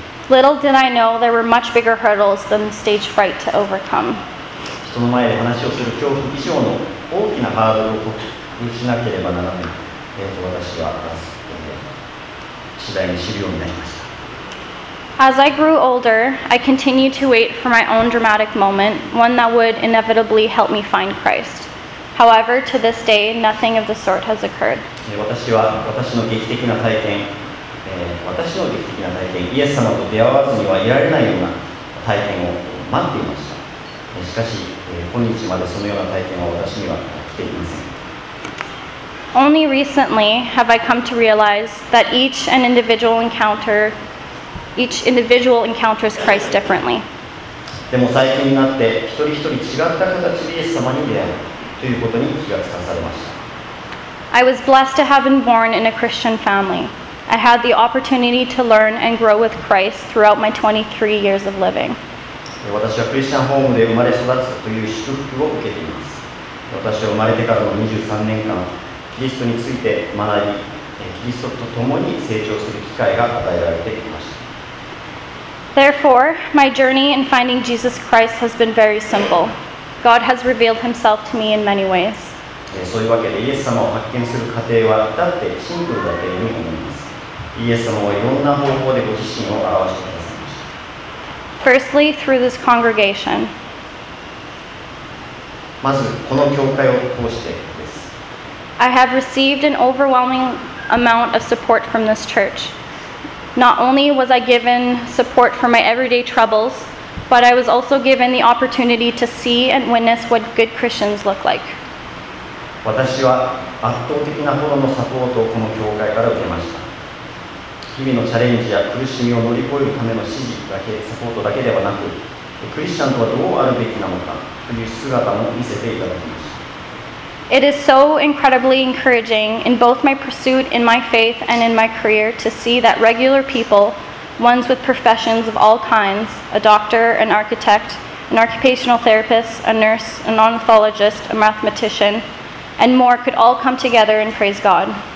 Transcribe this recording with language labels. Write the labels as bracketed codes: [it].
[en] Little did I know there were much bigger hurdles than stage fright to overcome. [ja] 人の前で話をする恐怖以上の大きなハードルを克服しなければならない、私は次第に知るようになりました。 [en] As I grew older, I continued to wait for my own dramatic moment, one that would inevitably help me find Christ. However, to this day, nothing of the sort has occurred. [ja] 私は私の劇的な体験、私の劇的な体験、イエス様と出会わずにはいられないような体験を待っていました。しかし、今日までそのような体験は私には来ていません。 [en] Only recently have I come to realize that each individual encounters Christ differently. [ja] でも最近になって一人一人違った形でイエス様に出会うということに気がつかされました。 [en] I was blessed to have been born in a Christian family. I had the opportunity to learn and grow with Christ throughout my 23 years of living. [ja] 私はクリスチャンホームで生まれ育つという祝福を受けています。私は生まれてからの23年間、キリストについて学び、キリストと共に成長する機会が与えられてきました。 [en] Therefore, my journey in finding Jesus Christ has been very simple. God has revealed himself to me in many ways. [ja] そういうわけでイエス様を発見する過程は至ってシンプルだというふうに思います。イエス様はいろんな方法でご自身を表してくださいました。 [en] Firstly, through this congregation. [ja] まずこの教会を通してです。 [en] I have received an overwhelming amount of support from this church. Not only was I given support for my everyday troubles, but I was also given the opportunity to see and witness what good Christians look like. [ja] 私は圧倒的なほどのサポートをこの教会から受けました。日々のチャレンジや苦しみを乗り越えるための指示だけ、サポートだけではなく、クリスチャンとはどうあるべきなのかという姿も見せていただきました。 [en] It is so incredibly encouraging in both my pursuit in my faith and in my career to see that regular people, ones with professions of all kinds, a doctor, an architect, an occupational therapist, a nurse, an ornithologist, a mathematician, and more could all come together and praise God.